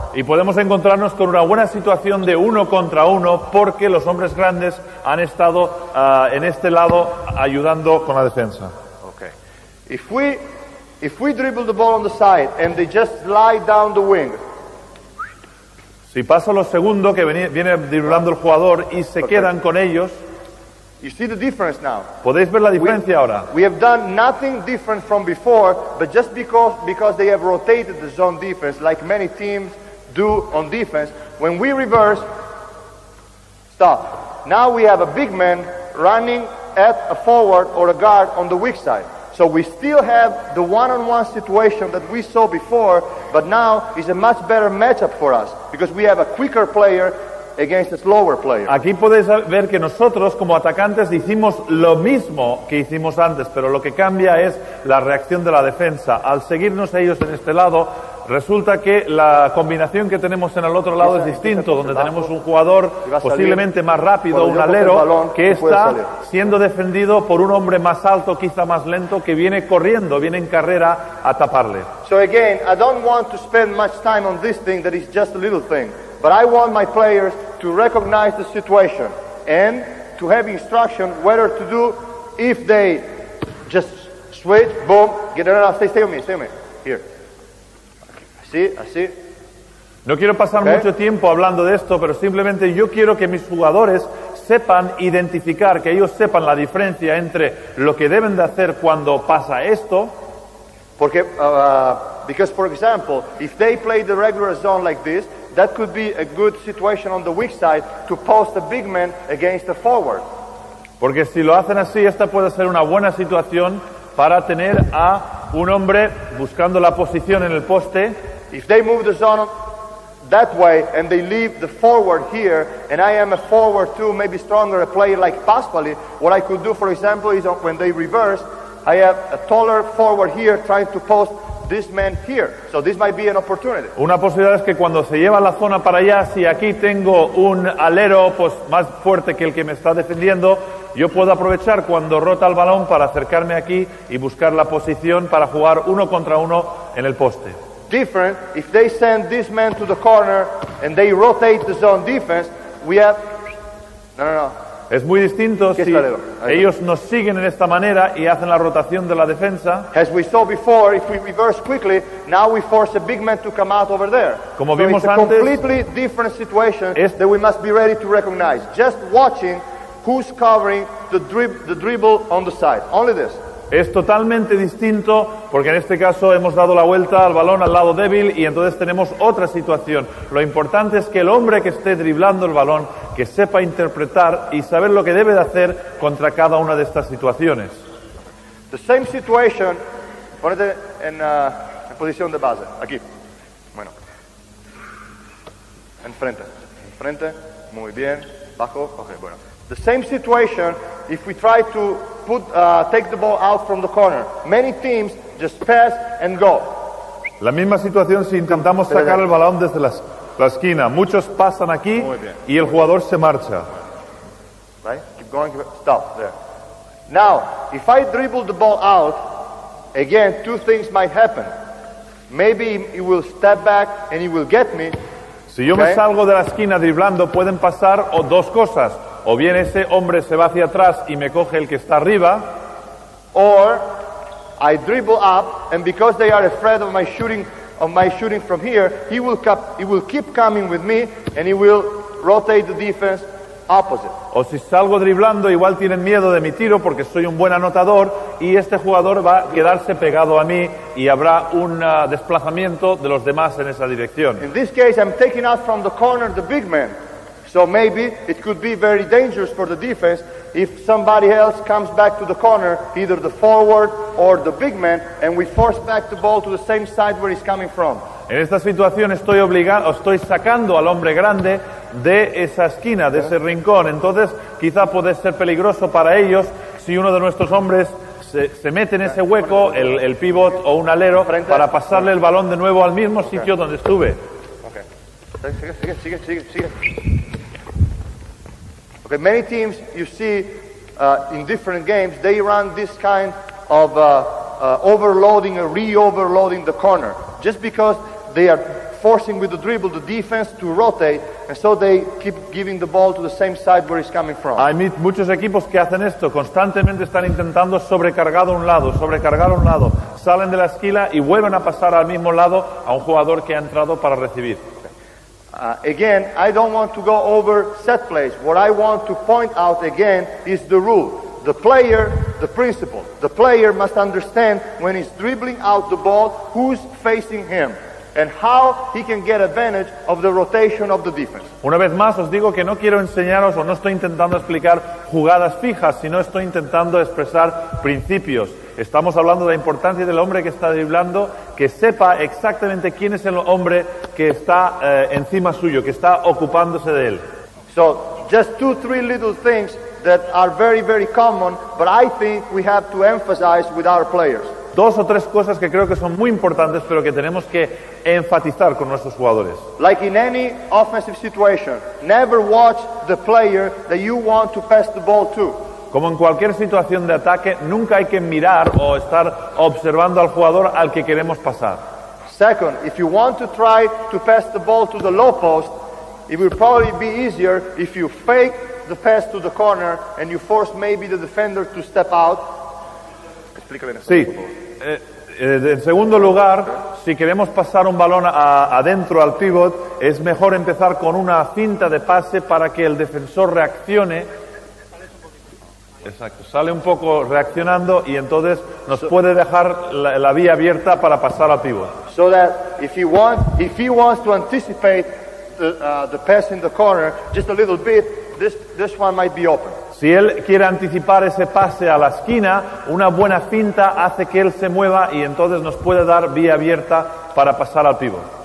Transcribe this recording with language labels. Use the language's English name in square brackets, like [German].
[Spanish] Y podemos encontrarnos con una buena situación de uno contra uno porque los hombres grandes han estado en este lado ayudando con la defensa. [English] If we dribble the ball on the side and they just slide down the wing. [Spanish] Si paso lo segundo que viene driblando el jugador y se quedan con ellos. [English] You see the difference now. [Spanish] ¿Podéis ver la diferencia ahora? [English] We have done nothing different from before, but just because they have rotated the zone defense like many teams do on defense, when we reverse, stop. Now we have a big man running at a forward or a guard on the weak side. So we still have the one-on-one situation that we saw before, but now is a much better matchup for us because we have a quicker player against a slower player. [Spanish] Aquí podéis ver que nosotros como atacantes hicimos lo mismo que hicimos antes, pero lo que cambia es la reacción de la defensa. Al seguirnos ellos en este lado, resulta que la combinación que tenemos en el otro lado es distinto, donde tenemos un jugador posiblemente más rápido, un alero, que está siendo defendido por un hombre más alto, quizá más lento, que viene corriendo, viene en carrera a taparle. [English] So again, I don't want to spend much time on this thing that is just a little thing, but I want my players to recognize the situation and to have instruction whether to do if they just switch, boom, get it out, stay with me, here. [Spanish] No quiero pasar mucho tiempo hablando de esto, pero simplemente yo quiero que mis jugadores sepan identificar, que ellos sepan la diferencia entre lo que deben de hacer cuando pasa esto. Porque, [English] because for example, if they play the regular zone like this, that could be a good situation on the weak side to post a big man against the forward. [Spanish] Porque si lo hacen así, esta puede ser una buena situación para tener a un hombre buscando la posición en el poste. [English] If they move the zone that way and they leave the forward here and I am a forward too, maybe stronger, a player like Pasquale, what I could do, for example, is when they reverse, I have a taller forward here trying to post this man here. So this might be an opportunity. [Spanish] Una posibilidad es que cuando se lleva la zona para allá, si aquí tengo un alero pues más fuerte que el que me está defendiendo, yo puedo aprovechar cuando rota el balón para acercarme aquí y buscar la posición para jugar uno contra uno en el poste. [English] Different if they send this man to the corner and they rotate the zone defense, we have no. [Spanish] Es muy distinto si ellos nos siguen en esta manera y hacen la rotación de la defensa. [English] As we saw before, if we reverse quickly, now we force a big man to come out over there. [Spanish] Como [English] so [Spanish] vimos [English] it's [Spanish] antes, [English] a completely different situation that we must be ready to recognize. Just watching who's covering the dribble on the side. Only this. [Spanish] Es totalmente distinto porque en este caso hemos dado la vuelta al balón al lado débil y entonces tenemos otra situación. Lo importante es que el hombre que esté driblando el balón, que sepa interpretar y saber lo que debe de hacer contra cada una de estas situaciones. [English] The same situation, [Spanish] ponete en posición de base, aquí. Bueno. Enfrente, muy bien, bajo, ok, bueno. [English] The same situation if we try to take the ball out from the corner. Many teams just pass and go. [Spanish] La misma situación si intentamos sacar el balón desde la esquina. Muchos pasan aquí y el jugador se marcha. [English] Right? Keep going. Stop there. Now, if I dribble the ball out, again, two things might happen. Maybe he will step back and he will get me. [Spanish] Si yo me salgo de la esquina driblando, pueden pasar o dos cosas. O bien ese hombre se va hacia atrás y me coge el que está arriba. [English] Or I dribble up and because they are afraid of my shooting from here, he will keep coming with me and he will rotate the defense opposite. [Spanish] O si salgo driblando, igual tienen miedo de mi tiro porque soy un buen anotador y este jugador va a quedarse pegado a mí y habrá un desplazamiento de los demás en esa dirección. [English] In this case, I'm taking out from the corner the big man. So maybe it could be very dangerous for the defense if somebody else comes back to the corner, either the forward or the big man, and we force back the ball to the same side where he's coming from. [Spanish] En esta situación estoy sacando al hombre grande de esa esquina, de ese rincón. Entonces, quizá puede ser peligroso para ellos si uno de nuestros hombres se mete en ese hueco, el pivot o un alero, para pasarle el balón de nuevo al mismo sitio donde estuve. Sigue. [English] But many teams you see in different games, they run this kind of overloading or re-overloading the corner just because they are forcing with the dribble the defense to rotate and so they keep giving the ball to the same side where it's coming from. [Spanish] Hay muchos equipos que hacen esto, constantemente están intentando sobrecargar un lado, salen de la esquina y vuelven a pasar al mismo lado a un jugador que ha entrado para recibir. [English] Again, I don't want to go over set plays. What I want to point out again is the rule. The player, the principle. The player must understand when he's dribbling out the ball, who's facing him, and how he can get advantage of the rotation of the defense. [Spanish] Una vez más, os digo que no quiero enseñaros o no estoy intentando explicar jugadas fijas, sino estoy intentando expresar principios. Estamos hablando de la importancia del hombre que está driblando, que sepa exactamente quién es el hombre que está encima suyo, que está ocupándose de él. [English] So, just two, three little things that are very, very common, but I think we have to emphasize with our players. [Spanish] Dos o tres cosas que creo que son muy importantes, pero que tenemos que enfatizar con nuestros jugadores. [English] Like in any offensive situation, never watch the player that you want to pass the ball to. [Spanish] Como en cualquier situación de ataque, nunca hay que mirar o estar observando al jugador al que queremos pasar. [English] Second, if you want to try to pass the ball to the low post, it will probably be easier if you fake the pass to the corner and you force maybe the defender to step out. [Spanish] Explícale en en segundo lugar, si queremos pasar un balón adentro al pivot, es mejor empezar con una cinta de pase para que el defensor reaccione. Exacto, sale un poco reaccionando y entonces nos puede dejar la vía abierta para pasar al pivot. [English] So that if he wants to anticipate the pass in the corner just a little bit, this one might be open. [Spanish] Si él quiere anticipar ese pase a la esquina, una buena finta hace que él se mueva y entonces nos puede dar vía abierta para pasar al pivot.